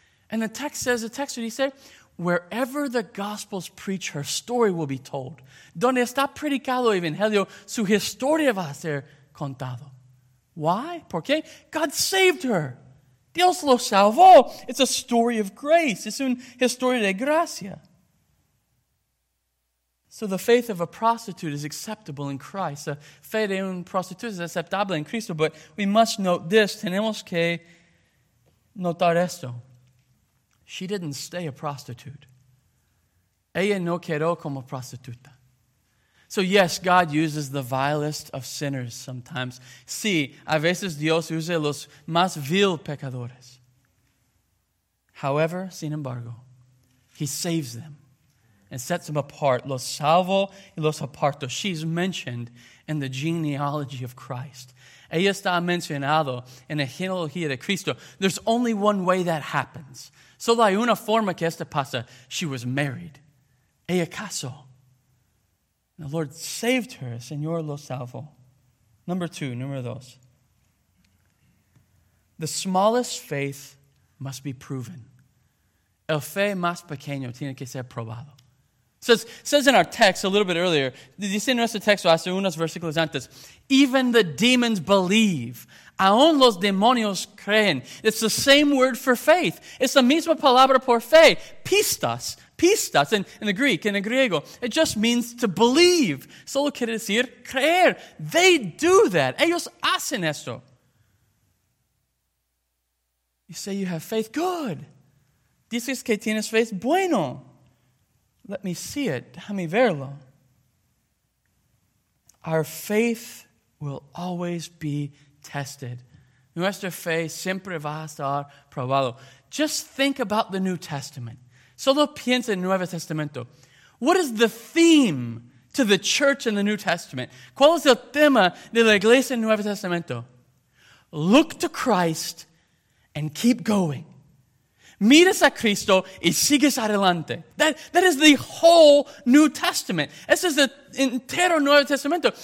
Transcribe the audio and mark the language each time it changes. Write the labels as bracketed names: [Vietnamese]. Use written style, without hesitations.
[English] And the text says, wherever the gospels preach, her story will be told. [Spanish] Donde está predicado el evangelio, su historia va a ser contado. [English] Why? [Spanish] ¿Por qué? [English] God saved her. [Spanish] Dios lo salvó. [English] It's a story of grace. [Spanish] Es una historia de gracia. [English] So the faith of a prostitute is acceptable in Christ. [Spanish] La fe de un prostituta es aceptable en Cristo. [English] But we must note this. [Spanish] Tenemos que notar esto. [English] She didn't stay a prostitute. [Spanish] Ella no quedó como prostituta. [English] So yes, God uses the vilest of sinners sometimes. [Spanish] Sí, a veces Dios usa los más vil pecadores. [English] However, [Spanish] sin embargo, [English] he saves them and sets them apart. [Spanish] Los salvo y los aparto. [English] She's mentioned in the genealogy of Christ. [Spanish] Ella está mencionado en la genealogía de Cristo. [English] There's only one way that happens. [Spanish] Solo hay una forma que esto pasa. [English] She was married. [Spanish] Ella casó. [English] The Lord saved her. [Spanish] Señor lo salvó. Número dos. [English] The smallest faith must be proven. [Spanish] El fe más pequeño tiene que ser probado. [English] Says in our text a little bit earlier, [Spanish] dice en nuestro texto hace unos versículos antes, [English] even the demons believe. [Spanish] Aún los demonios creen. [English] It's the same word for faith. It's [Spanish] la misma palabra por fe. [English] Pistas. Pistas in the Greek, in the griego. It just means to believe. [Spanish] Solo quiere decir creer. [English] They do that. [Spanish] Ellos hacen esto. [English] You say you have faith. Good. [Spanish] Dices que tienes faith. Bueno. [English] Let me see it. [Spanish] Déjame verlo. [English] Our faith will always be tested. [Spanish] Nuestra fe siempre va a estar probado. [English] Just think about the New Testament. [Spanish] Solo piensa en Nuevo Testamento. [English] What is the theme to the church in the New Testament? [Spanish] ¿Cuál es el tema de la iglesia en Nuevo Testamento? [English] Look to Christ and keep going. [Spanish] Miras a Cristo y sigues adelante. [English] That is the whole New Testament. [Spanish] Ese es el entero Nuevo Testamento.